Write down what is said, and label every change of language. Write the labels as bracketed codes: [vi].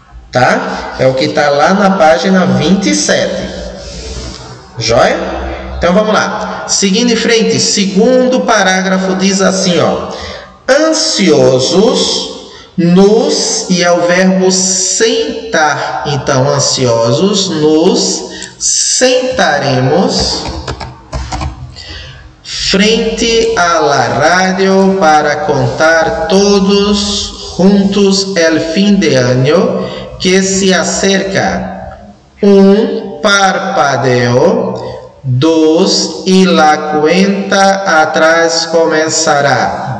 [pt] Tá? É o que está lá na página 27. Joia? Então vamos lá. Seguindo em frente, segundo parágrafo diz assim, ó. [es] Ansiosos nos, [pt] e é o verbo sentar. Então, [es] ansiosos nos sentaremos frente à la radio para contar todos juntos el fin de año que se acerca. Um parpadeo, dos, e la cuenta atrás começará.